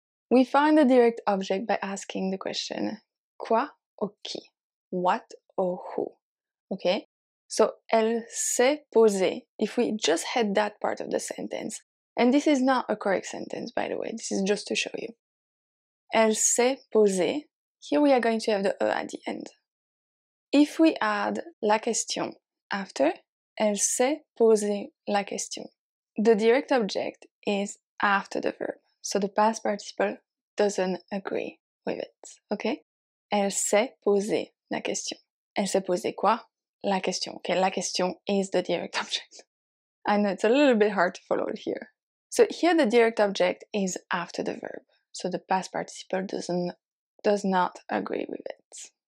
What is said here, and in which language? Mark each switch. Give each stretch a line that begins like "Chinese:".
English: We find the direct object by asking the question
French: quoi ou qui?
English: What or who? Okay? So
French: elle s'est posée,
English: if we just had that part of the sentence, and this is not a correct sentence, by the way, this is just to show you.
French: Elle s'est posée,
English: here we are going to have the E at the end. If we add
French: la question
English: after,
French: elle s'est posé la question.
English: The direct object is after the verb, so the past participle doesn't agree with it, okay?
French: Elle s'est posé la question. Elle s'est posé quoi? La question, okay? La question
English: is the direct object. I know it's a little bit hard to follow here. So here the direct object is after the verb, so the past participle does not agree with it.